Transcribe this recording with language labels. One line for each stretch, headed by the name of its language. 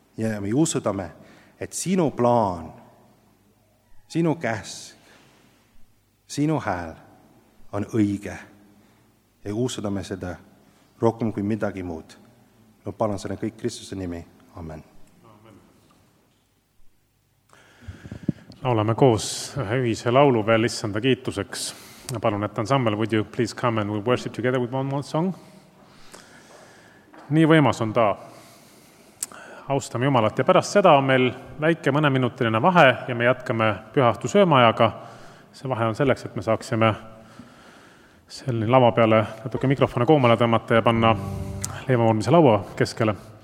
Estonian: Ja me usudame, et sinu plaan, sinu käsk, sinu hääl on õige ja usudame seda rohkem kui midagi muud. No palun selle kõik Kristuse nimi. Amen. Laulame koos ühise laulu veel Issanda kiituseks. Palun, et ansambel,
English: would you please come and we'll worship together with one more song?
Estonian: Nii võimas on ta. Austame Jumalat ja pärast seda on meil väike mõne minutiline vahe ja me jätkame pühastu söömajaga. See vahe on selleks, et me saaksime selline lava peale natuke mikrofone koomale tõmmata ja panna leivamormise laua keskele.